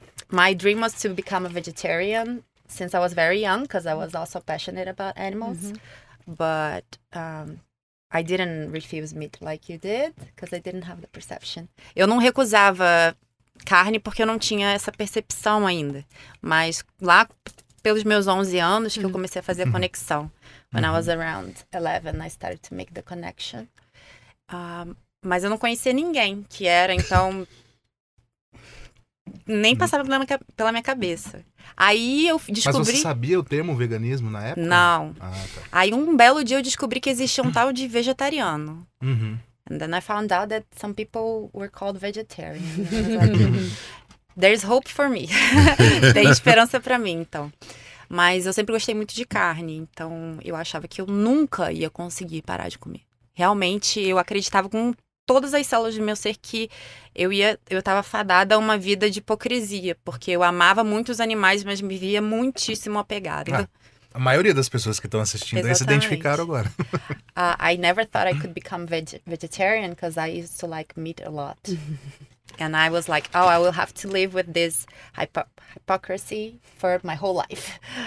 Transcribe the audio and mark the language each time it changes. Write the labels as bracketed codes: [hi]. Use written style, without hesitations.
[en] My dream was to become a vegetarian since I was very young, because I was also passionate about animals. But I didn't refuse meat like you did, because I didn't have the perception. [pt] Eu não recusava carne porque eu não tinha essa percepção ainda. Mas lá pelos meus 11 anos que eu comecei a fazer a conexão. [en] When I was around 11, I started to make the connection. [pt] Mas eu não conhecia ninguém que era, então... nem passava pela minha cabeça. Aí eu descobri... Mas você sabia o termo veganismo na época? Não. Ah, tá. Aí um belo dia eu descobri que existia um tal de vegetariano. [en] And then I found out that some people were called vegetarian. There's hope for me. [pt] Tem esperança pra mim, então. Mas eu sempre gostei muito de carne. Então eu achava que eu nunca ia conseguir parar de comer. Realmente eu acreditava com todas as células do meu ser que eu estava fadada a uma vida de hipocrisia, porque eu amava muito os animais, mas me via muitíssimo apegada. A maioria das pessoas que estão assistindo aí se identificaram agora. [en] I never thought I could become vegetarian because I used to like meat a lot. And I was like, oh, I will have to live with this hypocrisy for my whole life.